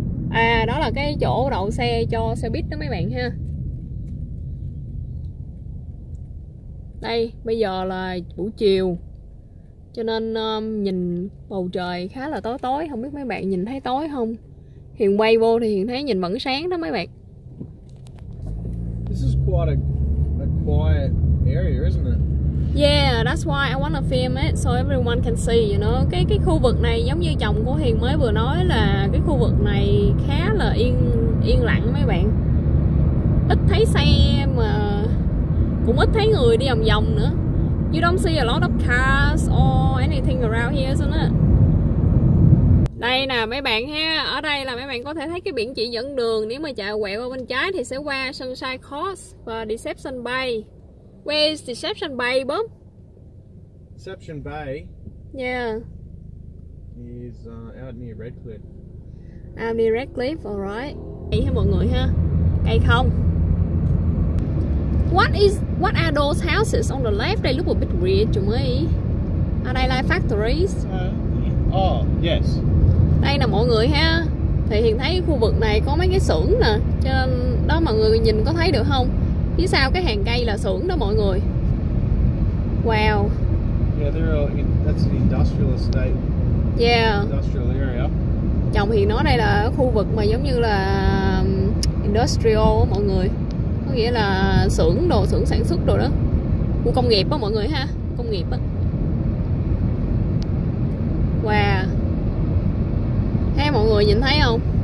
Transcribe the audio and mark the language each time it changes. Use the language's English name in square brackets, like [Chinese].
[Vietnamese] À, đó là cái chỗ đậu xe cho xe buýt đó mấy bạn ha. Đây, bây giờ là buổi chiều, cho nên nhìn bầu trời khá là tối tối. Không biết mấy bạn nhìn thấy tối không? Hiền quay vô thì Hiền thấy nhìn vẫn sáng đó mấy bạn. [English] This is quite a quiet area, isn't it? Yeah, that's why I want to film it so everyone can see, you know. [Vietnamese] Cái khu vực này giống như chồng của Hiền mới vừa nói là cái khu vực này khá là yên lặng mấy bạn. Ít thấy xe mà cũng ít thấy người đi vòng vòng nữa. [English] You don't see a lot of cars or anything around here, isn't it? [Vietnamese] Đây nè mấy bạn ha, ở đây là mấy bạn có thể thấy cái biển chỉ dẫn đường, nếu mà chạy quẹo qua bên trái thì sẽ qua Sunshine Coast và Deception Bay. [English] Where is Deception Bay, Bob? Deception Bay? Yeah. Is out near Redcliffe. Out near Redcliffe, alright. [Vietnamese] Cây hả mọi người ha? Cây không? [English] What are those houses on the left? They look a bit weird to me. Are they like factories? Oh, yes. [Vietnamese] Đây nè mọi người ha. Thì hiện thấy khu vực này có mấy cái xưởng nè. Cho nên đó mọi người nhìn có thấy được không? Phía sau cái hàng cây là xưởng đó mọi người. [English] Wow. Yeah, that's an industrial estate. Yeah. Industrial area. [Vietnamese] Chồng Hiền nói đây là khu vực mà giống như là industrial đó mọi người. Có nghĩa là xưởng đồ, xưởng sản xuất đồ đó. Khu công nghiệp đó mọi người ha, công nghiệp á. Wow. Thấy mọi người nhìn thấy không?